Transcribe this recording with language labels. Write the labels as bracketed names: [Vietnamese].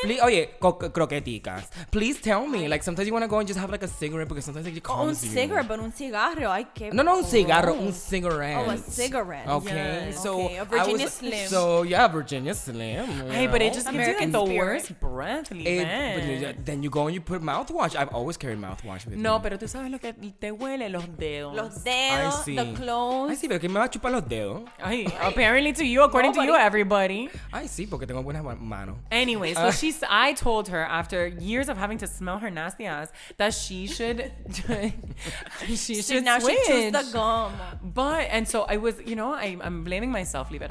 [English] Please, oh, yeah. Croqueticas. Please tell me. Like, sometimes you want to go and just have like a cigarette because sometimes it just calms [Spanish] un [English] you. Cigarette, but [Spanish] un cigarro. Ay, que no, no, un cigarro. Un cigarette. [English] Oh, a cigarette. Okay. Yes. So, okay. A Virginia was, Slim. So, yeah, Virginia Slim. Hey, but it just gives you like the worst breath. Then you go and you put mouthwash. I've always carried mouthwash with no, [Spanish] No, pero tú sabes lo que te huele los dedos. Los dedos, [English] the clothes. I see, [Spanish] pero ¿quién me va a chupar los dedos? [English] Ay, apparently to you, according nobody. To you, everybody. I see, [Spanish] porque tengo buenas manos. [English] Anyway, so she's, I told her after years of having to smell her nasty ass that she should, she should now switch. Now she chews the gum. But, and so I was, you know, I'm blaming myself, Libet.